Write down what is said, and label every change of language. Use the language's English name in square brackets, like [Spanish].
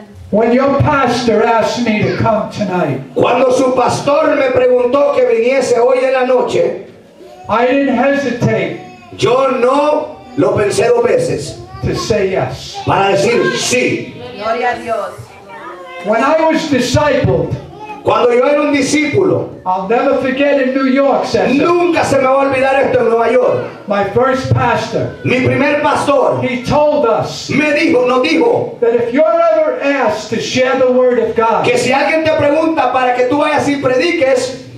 [English] When your pastor asked me to come tonight. [Spanish] Cuando su pastor me preguntó que viniese hoy en la noche. [English] I didn't hesitate. [Spanish] Yo no lo pensé dos veces. [English] To say yes. [Spanish] Para decir sí. Gloria a Dios. [English] When I was discipled, [Spanish] cuando yo era un discípulo, [English] I'll never forget in New York, Cesar. [Spanish] Nunca se me va a olvidar esto en Nueva York. [English] My first pastor, [Spanish] mi primer pastor, [English] he told us, [Spanish] me dijo, nos dijo, [English] that if you're ever asked to share the word of God, [Spanish] que si alguien te pregunta para que tú vayas y prediques,